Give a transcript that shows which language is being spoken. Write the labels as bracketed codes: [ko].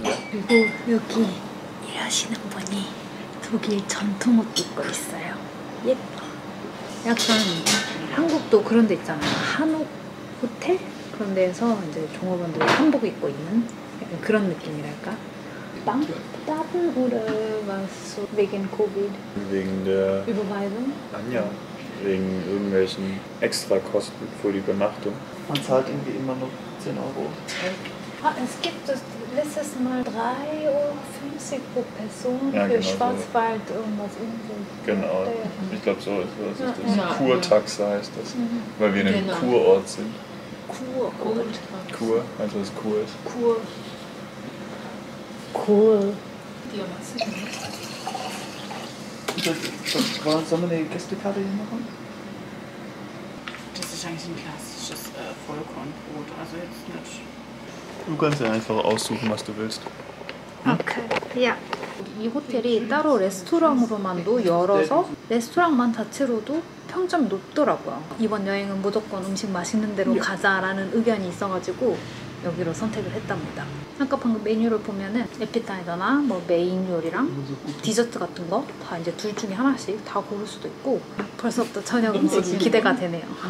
[ko] 그리고 여기 일하시는 분이 독일 전통 옷도 입고 있어요. 예뻐. 약간 한국도 그런 데 있잖아요. 한옥 호텔 그런 데에서 이제 종업원들 한복 입고 있는 약간 그런 느낌이랄까. 빵? 따분 우르 마스 [de] wegen Covid. wegen der Überweisung? [ko] 아니야. [de] wegen irgendwelchen extra Kosten für die Übernachtung. Man zahlt irgendwie immer nur 10 Euro. Es gibt das letztes Mal 3,50 Euro pro Person, ja, für genau Schwarzwald so. Irgendwas irgendwo. Genau, ich glaube so ist das. Ja, das. Ja, Kurtaxa heißt das, mhm, weil wir in einem, genau, Kurort sind. Kurort. Kur, also das Kur ist. Kur. Kur. Sollen wir eine Gästekarte hier machen? Das ist eigentlich ein klassisches Vollkornbrot, also jetzt nicht. Du kannst ja einfach aussuchen, was du willst. Okay, ja. [ko] 이 호텔이 따로 레스토랑으로만도 열어서 레스토랑만 자체로도 평점이 높더라고요. 이번 여행은 무조건 음식 맛있는 데로 가자라는 의견이 있어가지고 여기로 선택을 했답니다. 아까 방금 메뉴를 보면은 에피타이저나 뭐 메인 요리랑 디저트 같은 거 다 이제 둘 중에 하나씩 다 고를 수도 있고 벌써부터 저녁 음식이 기대가 되네요.